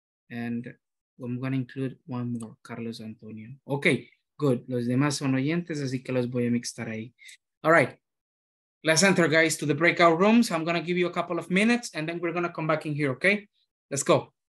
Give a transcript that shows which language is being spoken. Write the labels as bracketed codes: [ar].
[en] And I'm going to include one more, Carlos Antonio. Okay, good. [es] Los demás son oyentes, así que los voy a mixtar ahí. [en] All right. Let's enter, guys, to the breakout rooms. I'm going to give you a couple of minutes, and then we're going to come back in here, okay? Let's go.